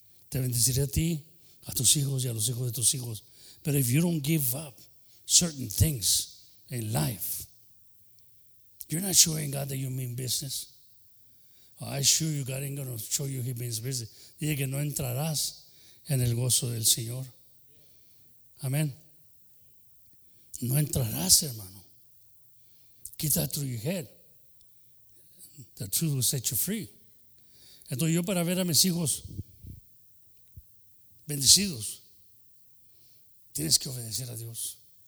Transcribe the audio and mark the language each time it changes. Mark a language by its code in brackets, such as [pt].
[es] Te bendeciré a ti, a tus hijos y a los hijos de tus hijos. [en] But if you don't give up certain things in life, you're not showing God that you mean business. Oh, I assure you, God ain't going to show you he means business. [es] Dice que no entrarás en el gozo del Señor. [en] Amén. [es] No entrarás, [en] hermano. Keep that through your head. The truth will set you free. [es] Entonces yo para ver a mis hijos bendecidos, tienes que obedecer a Dios.